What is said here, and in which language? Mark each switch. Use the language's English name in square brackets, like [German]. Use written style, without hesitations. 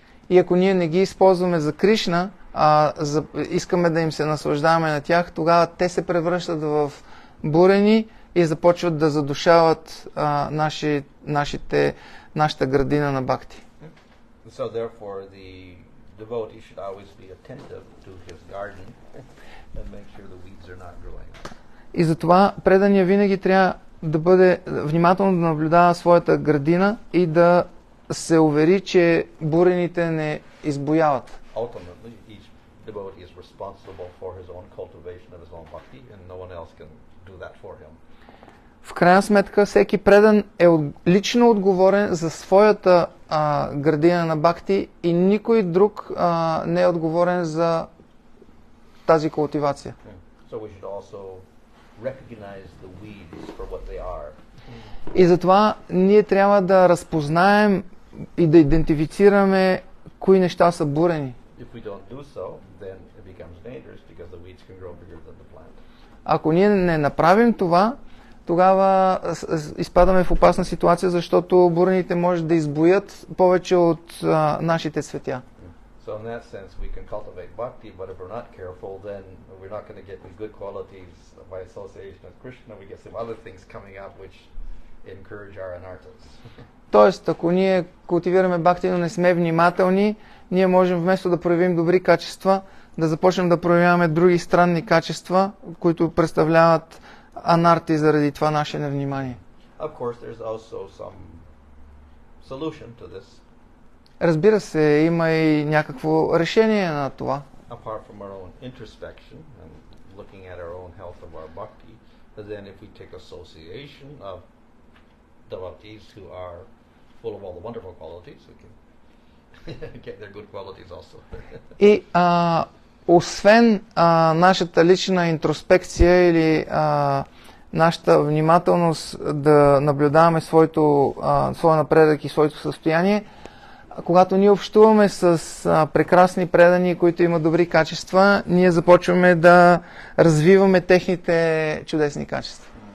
[Bulgarian] и ако ние не ги използваме за Кришна, а искаме да им се наслаждаваме на тях, тогава те се превръщат в бурени и започват да задушават нашата градина на бхакти. [English] So therefore the devotee should always be attentive to his garden and make sure the weeds are not growing. [Bulgarian] И затова предания винаги трябва да бъде внимателно да наблюдава своята градина и да се увери, че бурените не избояват. [English] Ultimately, each devotee is responsible for his own cultivation of his own bhakti and no one else can do that for him. [Bulgarian] В крайна сметка, всеки предан е лично отговорен за своята градина на бхакти и никой друг не е отговорен за тази култивация. [English] So we should also recognize the weeds for what they are. [Bulgarian] И затова ние трябва да разпознаем и да идентифицираме кои неща са бурени. [English] If we don't do so, then it becomes dangerous because the weeds can grow bigger than the plant. [Bulgarian] Ако ние не направим това, тогава изпадаме в опасна ситуация, защото бурените може да избоят повече от нашите цветя. [English] So in that sense we can cultivate bhakti, but if we're not careful, then we're not going to get good qualities by association with Krishna. We get some other things coming up which encourage our anarthas. [Bulgarian] Тоест, ако ние култивираме бхакти, но не сме внимателни, ние можем вместо да проявим добри качества, да започнем да проявяваме други странни качества, които представляват анарти заради това наше невнимание. [English] Of course, there's also some solution to this. [Bulgarian] Разбира се, има и някакво решение на това. [English] Apart from our own introspection and looking at our own health of our bhakti, then if we take association of devotees who are full of all the wonderful qualities, we can get their good qualities also. [Bulgarian] И освен нашата лична интроспекция или нашата внимателност да наблюдаваме своя напредък и своето състояние, когато ние общуваме с прекрасни предани, които имат добри качества, ние започваме да развиваме техните чудесни качества.